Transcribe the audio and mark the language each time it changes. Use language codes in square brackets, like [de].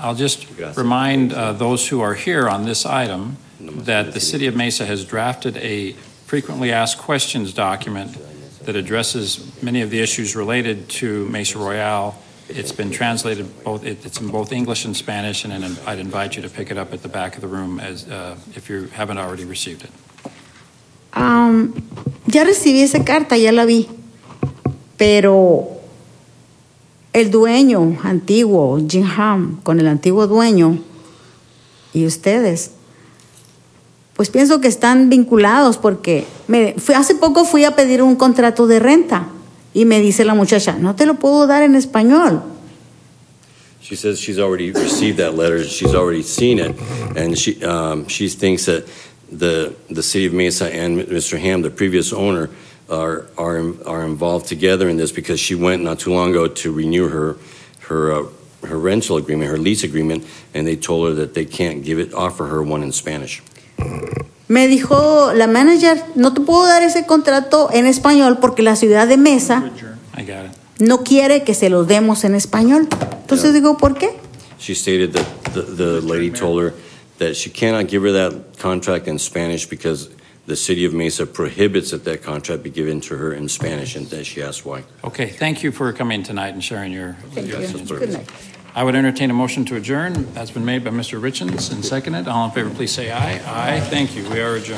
[en] I'll just remind those who are here on this item that the City of Mesa has drafted a frequently asked questions document that addresses many of the issues related to Mesa Royale. It's been translated, it's in both English and Spanish, and I'd invite you to pick it up at the back of the room as if you haven't already received it. [es] Ya recibí esa carta, ya la vi. Pero el dueño antiguo, Jim Ham, con el antiguo dueño y ustedes, pues pienso que están vinculados porque hace poco fui a pedir un contrato de renta y me dice la muchacha, no te lo puedo dar en español. [en] She says she's already received that letter, she's already seen it, and she thinks that the city of Mesa and Mr. Ham, the previous owner, are involved together in this because she went not too long ago to renew her rental agreement, her lease agreement, and they told her that they can't offer her one in Spanish. [es] Me dijo la manager, no te puedo dar ese contrato en español porque la ciudad de Mesa no quiere que se los demos en español. Entonces digo, ¿por qué? [en] She stated that the lady told her that she cannot give her that contract in Spanish because the city of Mesa prohibits that that contract be given to her in Spanish, and that she asked why. Okay, thank you for coming tonight and sharing your questions. Thank you. Good night. I would entertain a motion to adjourn. That's been made by Mr. Richens and seconded. All in favor, please say aye. Aye. Thank you. We are adjourned.